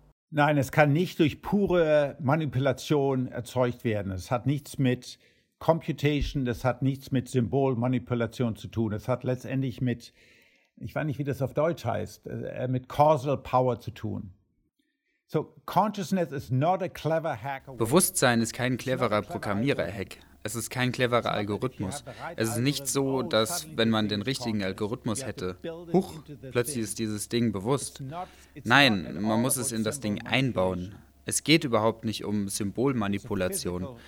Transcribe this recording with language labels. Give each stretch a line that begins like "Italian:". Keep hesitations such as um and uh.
German: Nein, es kann nicht durch pure Manipulation erzeugt werden. Es hat nichts mit Computation, das hat nichts mit Symbolmanipulation zu tun. Es hat letztendlich mit, ich weiß nicht, wie das auf Deutsch heißt, mit Causal Power zu tun.
English: So, consciousness is not a clever hack
German: Bewusstsein ist kein cleverer Programmierer-Hack. Es ist kein cleverer Algorithmus. Es ist nicht so, dass wenn man den richtigen Algorithmus hätte, huch, plötzlich ist dieses Ding bewusst. Nein, man muss es in das Ding einbauen. Es geht überhaupt nicht um Symbolmanipulation.